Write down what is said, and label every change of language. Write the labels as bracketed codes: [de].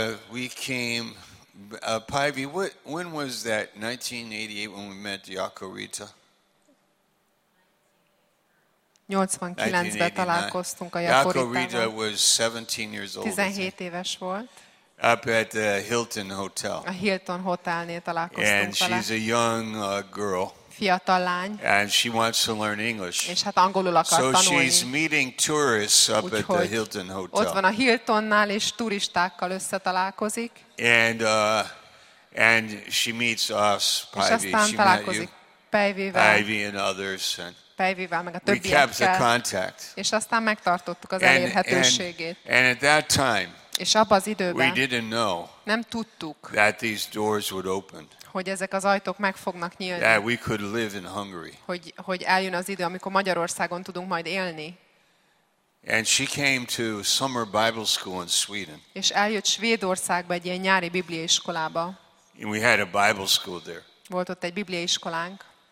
[en] We came Pivy, when was that 1988 when we met Jaco Rita? [hu] 89-ben találkoztunk a Jakoritában. [en] Jakob Rida was 17 years old. [hu] 17 éves volt. [en] Up at the Hilton Hotel. [hu] A Hilton Hotelnél találkoztunk vele. [en] And she's a young girl. [hu] Fiatal lány. [en] And she wants to learn English. [hu] És hát angolul akar [en] so [hu] tanulni. [en] So she's meeting tourists up at the Hilton Hotel. [hu] Ott van a Hiltonnál és turistákkal összetalálkozik. [en] And she meets us, Pivy. [hu] És aztán találkozik Pivyvel. [en] Pivy and others. And [hu] Pivyvel, meg a többiekkel. [en] We kept the contact. [hu] És aztán megtartottuk az elérhetőségét. [en] And at that time, [hu] és abban az időben [en] we didn't know [hu] nem tudtuk, [en] that these doors would open. [hu] Hogy ezek az ajtók meg fognak nyílni. [en] That we could live in Hungary. [hu] Hogy eljön az idő, amikor Magyarországon tudunk majd élni. [en] And she came to summer Bible school in Sweden. [hu] És eljött Svédországba egy ilyen nyári bibliaiskolába. [en] And we had a Bible school there. [hu] Volt ott egy bibliaiskolánk.